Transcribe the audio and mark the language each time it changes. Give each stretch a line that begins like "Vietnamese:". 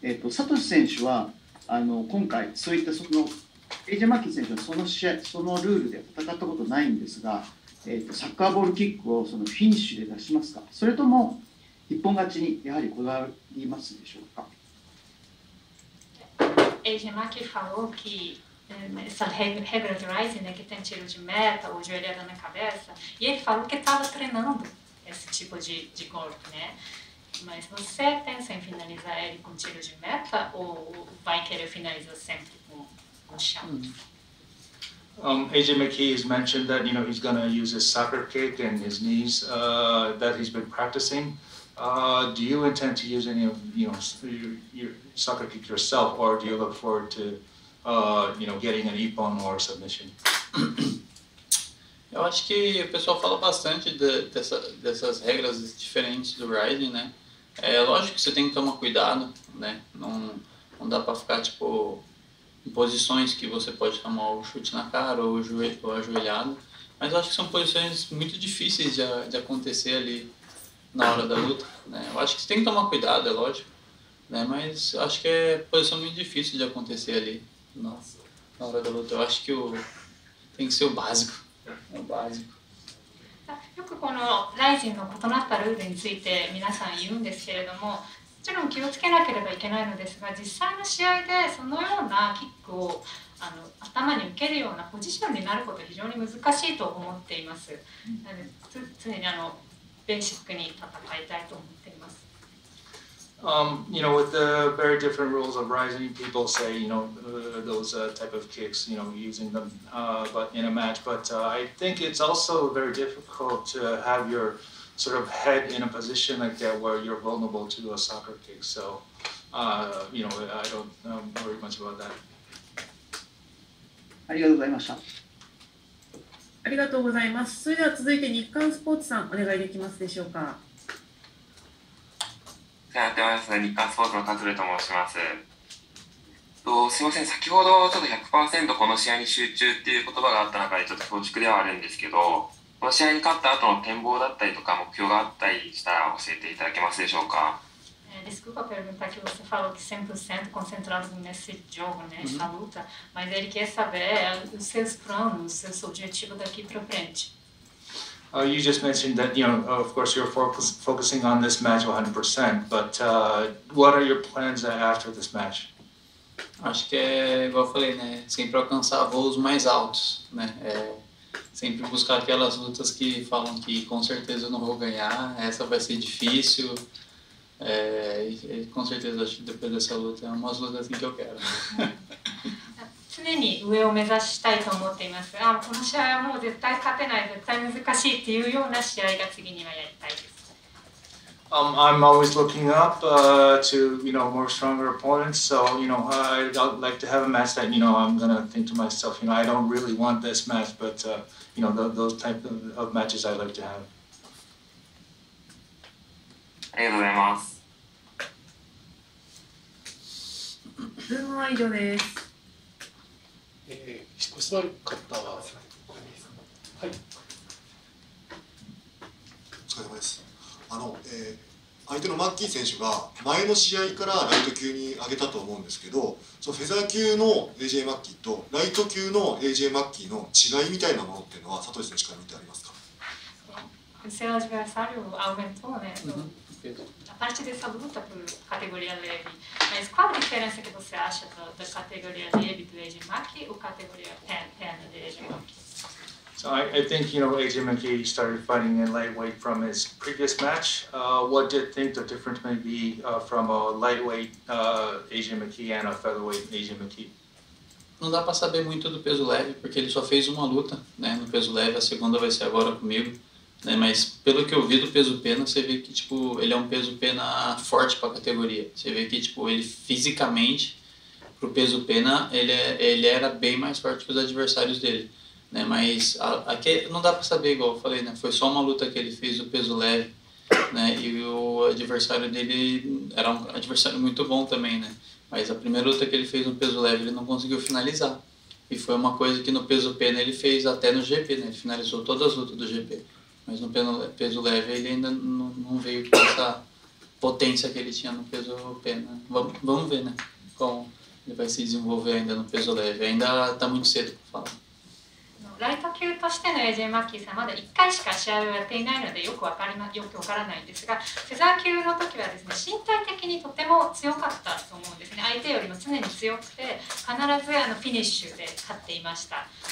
Japanese: サトシ選手は今回そういったそのエイジェ・マッキー選手はその試合そのルールで戦ったことないんですが、サッカーボールキックをそのフィニッシュで出しますか、それとも一本勝ちにやはりこだわりますでしょうか。
Portuguese: エイジェ・マッキー・ファウキーessa regra do Rising, né, que tem tiro de meta, o joelho era na cabeça, e ele falou que estava treinando esse tipo de golpe, né? Mas você pensa em finalizar ele com tiro de meta ou vai querer finalizar sempre com o chão?
English: AJ McKee has mentioned that, you know, he's going to use his soccer kick and his knees that he's been practicing. Do you intend to use any of, you know, your soccer kick yourself, or do you look forward to getting an ippon or submission?
Portuguese: Eu acho que o pessoal fala bastante dessas regras diferentes do Rising, né? É lógico que você tem que tomar cuidado, né? Não dá para ficar tipo em posições que você pode tomar o chute na cara ou o joelho ou ajoelhado, mas eu acho que são posições muito difíceis de acontecer ali na hora da luta, né? Eu acho que você tem que tomar cuidado, é lógico, né? Mas eu acho que é posição muito difícil de acontecer ali. Na hora da luta, eu acho que tem que ser o básico. É o básico.
Japanese: よくこのライジンの異なったルールについて皆さん言うんですけれども、もちろん気をつけなければいけないのですが、実際の試合でそのようなキックを頭に受けるようなポジションになることは非常に難しいと思っています。なので常にベーシックに戦いたいと思っています。
English: With the very different rules of Rising, people say, you know, those type of kicks, you know, using them but in a match. But I think it's also very difficult to have your sort of head in a position like that where you're vulnerable to a soccer kick. So, I don't worry much about that.
Japanese: ありがとうございました。ありがとうございます。それでは続いて日刊スポーツさん、お願いできますでしょうか。やってます。日刊スポーツの勝と申します。すいません。先ほどちょっと 100% この試合に集中っていう言葉があった中でちょっと恐縮ではあるんですけど、この試合に勝った後の展望だったりとか目標があったりしたら教えていただけますでしょうか。
Portuguese: Desculpa perguntar que você falou que 100% concentrado nesse jogo, nessa luta, mas ele quer saber os seus planos, seus objetivos daqui para frente.
English: You just mentioned that, you know, of course, you're focusing on this match 100%, but what are your plans after this match?
Portuguese: Acho que é igual eu falei, né? Sempre alcançar voos mais altos, né? É, sempre buscar aquelas lutas que falam que com certeza eu não vou ganhar, essa vai ser difícil. É, e com certeza acho que depois dessa luta é umas lutas assim que eu quero.
Japanese: 常に上を目指したいと思っています。あ、この試合はもう絶対勝てない、絶対難しいっていうような試合が次にはやりたいです。
English: I'm always looking up to you know more stronger opponents. So you know I'd like to have a match that you know I'm gonna think to myself, you know I don't really want this match, but you know those type of matches I'd like to have.
Japanese: ありがとうございます。質問は以上です。ご質問ある方は、はい、お疲れ様です。あの、相手のマッキー選手が前の試合からライト級に上げたと思うんですけど、そのフェザー級の AJ マッキーとライト級の AJ マッキーの違いみたいなものっていうのは佐藤選手から見てありますか？
Portuguese: A parte dessa luta por categoria leve, mas qual a diferença que você acha da categoria leve do AJ Mackie ou categoria pena do AJ Mackie?
English: So I think, you know, AJ McKee started fighting in lightweight from his previous match. What do you think the difference may be from a lightweight AJ McKee and a featherweight AJ McKee?
Portuguese: Não dá para saber muito do peso leve, porque ele só fez uma luta, né, no peso leve, a segunda vai ser agora comigo. Né, mas pelo que eu vi do peso pena, você vê que tipo, ele é um peso pena forte para a categoria. Você vê que tipo, ele fisicamente, para o peso pena, ele era bem mais forte que os adversários dele. Né, mas aqui não dá para saber, igual eu falei, né, foi só uma luta que ele fez o peso leve, né, e o adversário dele era um adversário muito bom também. Né, mas a primeira luta que ele fez no peso leve, ele não conseguiu finalizar. E foi uma coisa que no peso pena ele fez até no GP, né, ele finalizou todas as lutas do GP. Mas no peso leve ele ainda não veio com essa potência que ele tinha no peso pena. Vamos ver, né, como ele vai se desenvolver ainda no peso leve. Ainda está muito cedo para falar.
Japanese: ライト級としての AJ マッキーさんまだ1回しか試合をやっていないのでよく分からないんですが、フェザー級の時はですね、身体的にとても強かったと思うんですね。相手よりも常に強くて必ずフィニッシュで勝っていました。